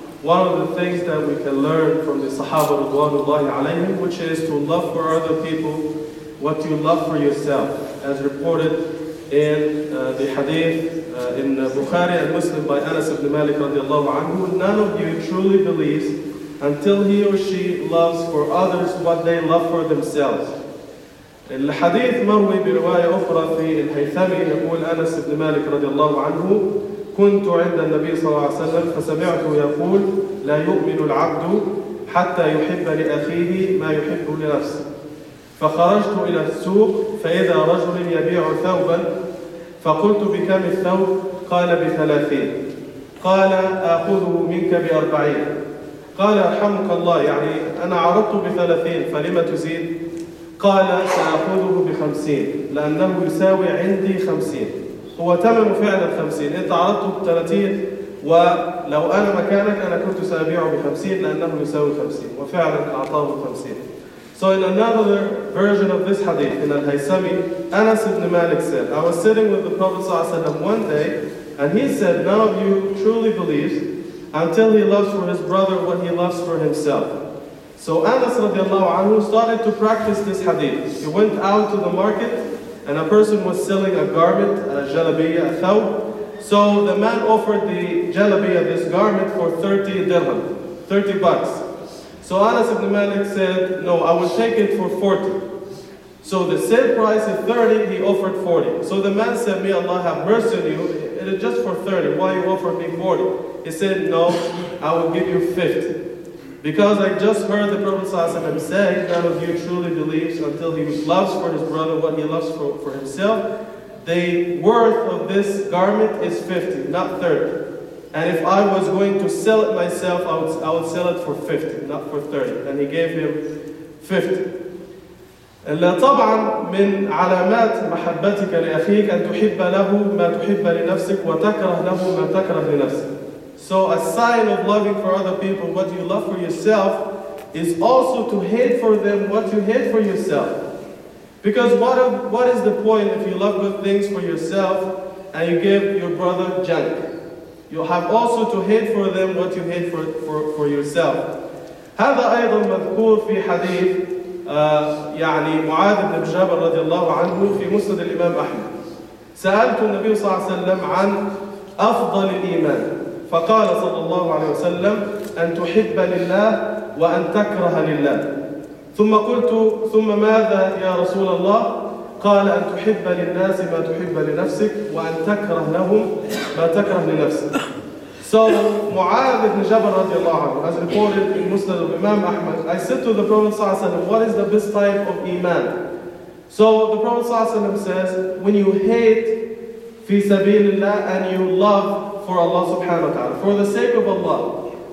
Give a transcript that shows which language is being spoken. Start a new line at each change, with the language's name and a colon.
English: One of the things that we can learn from the Sahaba radiallahu alayhim, which is to love for other people what you love for yourself, as reported in the hadith in Bukhari and Muslim by Anas ibn Malik radiallahu anhu. None of you truly believes until he or she loves for others what they love for themselves.
Arabic: الحديث مروي برواية أخرى في الهيثمي يقول أنس بن مالك رضي الله عنه كنت عند النبي صلى الله عليه وسلم فسمعته يقول لا يؤمن العبد حتى يحب لأخيه ما يحب لنفسه فخرجت إلى السوق فإذا رجل يبيع ثوبا فقلت بكم الثوب قال بثلاثين قال آخذه منك بأربعين قال أرحمك الله يعني أنا عرضت بثلاثين فلما تزيد قال سأخذه بخمسين لأنه يساوي عندي خمسين هو تمم فعلا خمسين إنت عرضته بثلاثين ولو أنا مكانك أنا كنت سأبيعه بخمسين لأنه يساوي خمسين وفعلا أعطاه بخمسين.
English: So in another version of this hadith in al-Haythami, Anas ibn Malik said, I was sitting with the Prophet صلى الله عليه وسلم one day and he said, none of you truly believes until he loves for his brother what he loves for himself. So Anas radiallahu anhu started to practice this hadith. He went out to the market and a person was selling a garment, a jalabiyya, a thawb. So the man offered the jalabiyya, this garment, for 30 dirham, 30 bucks. So Anas ibn Malik said, no, I will take it for 40. So the sale price is 30, he offered 40. So the man said, may Allah have mercy on you, it is just for 30, why you offer me 40? He said, no, I will give you 50. Because I just heard the Prophet ﷺ say, none of you truly believes until he loves for his brother what he loves for himself. The worth of this garment is 50, not 30. And if I was going to sell it myself, I would sell it for 50, not for 30. And he gave him 50.
Arabic: إلا طبعا من علامات محبتك لأخيك أن تحب له ما تحب لنفسك وتكره له ما تكره لنفسك.
English: So a sign of loving for other people what you love for yourself is also to hate for them what you hate for yourself. Because what is the point if you love good things for yourself and you give your brother junk? You have also to hate for them what you hate for yourself.
Arabic: هذا أيضا مذكور في حديث يعني معاذ بن جابر رضي الله عنه في مسند الإمام أحمد. سألت النبي صلى الله عليه وسلم عن أفضل الإيمان. فقال صلى الله عليه وسلم أن تحب لله وأن تكره لله ثم قلت ثم ماذا يا رسول الله قال أن تحب للناس ما تحب لنفسك وأن تكره لهم ما تكره لنفسك.
English: So معاذ بن جبل رضي الله عنه as reported in Muslim of Imam Ahmad, I said to the Prophet صلى الله عليه وسلم, what is the best type of iman? So the Prophet صلى الله عليه وسلم says, when you hate
Arabic: في سبيل الله
English: and you love for Allah subhanahu wa ta'ala, for the sake of Allah.